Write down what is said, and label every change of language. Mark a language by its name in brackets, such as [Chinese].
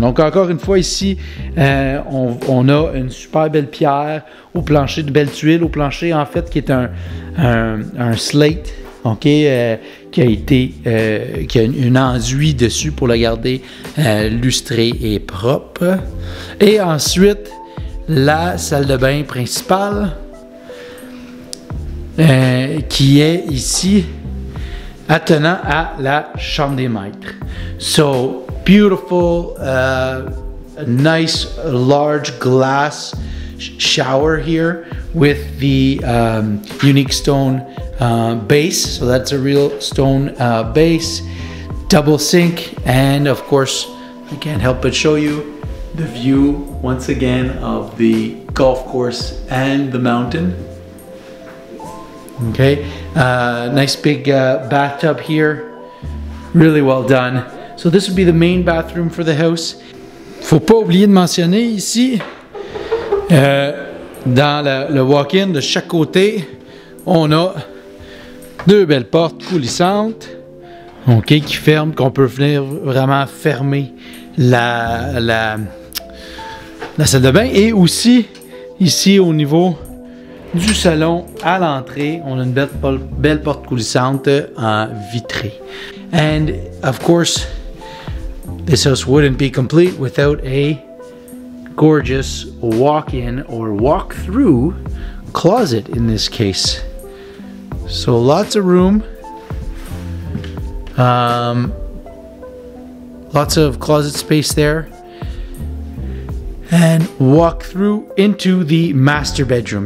[French] Donc, encore une fois, ici, on a une super belle pierre au plancher, de belles tuiles au plancher, en fait, qui est un slate, OK, qui a été, qui a une enduit dessus pour le garder lustré et propre. Et ensuite, la salle de bain principale, qui est ici, attenant à la chambre des maîtres. [English] So, beautiful, nice, large glass shower here with the unique stone base. So that's a real stone base, double sink, and of course, I can't help but show you the view once again of the golf course and the mountain. Okay, nice big bathtub here, really well done. So this would be the main bathroom for the house. [French] Faut pas oublier de mentionner ici, dans le walk-in de chaque côté, on a deux belles portes coulissantes, OK, qui ferment, qu'on peut venir vraiment fermer la salle de bain. Et aussi, ici au niveau du salon, à l'entrée, on a une belle porte coulissante en vitrée. [English] And of course, this house wouldn't be complete without a gorgeous walk-in or walk-through closet in this case. So lots of room, lots of closet space there, and walk through into the master bedroom.